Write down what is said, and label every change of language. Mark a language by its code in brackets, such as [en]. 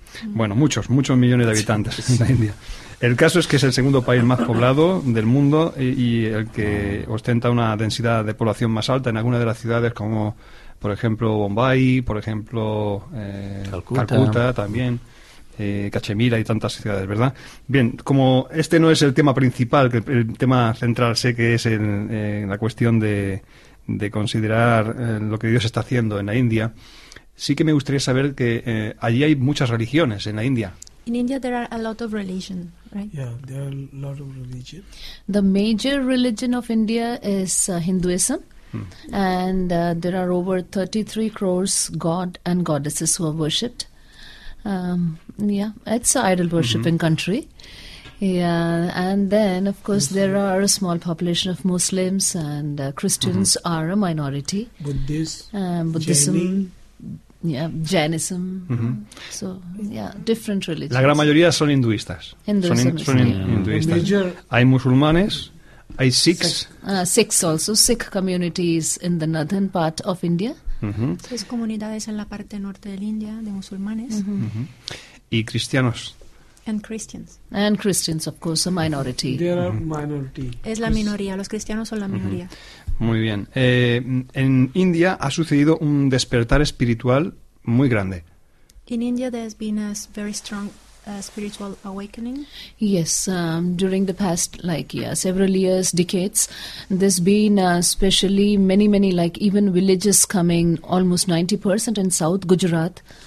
[es] Bueno, muchos millones de habitantes en la India. El caso es que es el segundo país más poblado del mundo y el que ostenta una densidad de población más alta en algunas de las ciudades, como por ejemplo Bombay, por ejemplo Calcuta también, Cachemira y tantas ciudades, ¿verdad? Bien, como este no es el tema principal, que el tema central sé que es la cuestión de considerar lo que Dios está haciendo en la India, sí que me gustaría saber que allí hay muchas religiones en la India. [en] In India there are a lot of religion, right? Yeah, there are a lot of religion. The major religion of India is Hinduism. Hmm. And there are over 33 crores god and goddesses who are worshipped. It's idol worshipping country. Yeah, and then of course there are a small population of Muslims and Christians are a minority. Buddhism. Jainism. Different religions. [es] La gran mayoría son hinduistas. Hinduistas. Hay musulmanes, hay Sikhs. [en] Sikhs also, Sikh communities in the northern part of India. [es] Es comunidades en la parte norte de India de musulmanes. Y cristianos. [en] And Christians, of course, a minority. They are minority. [es] Es la minoría, los cristianos son la minoría. Muy bien. En India ha sucedido un despertar espiritual muy grande. [en] In India there has been a very strong spiritual awakening. Yes, during the past several years, decades, there's been especially many like even villages coming, almost 90% in South Gujarat.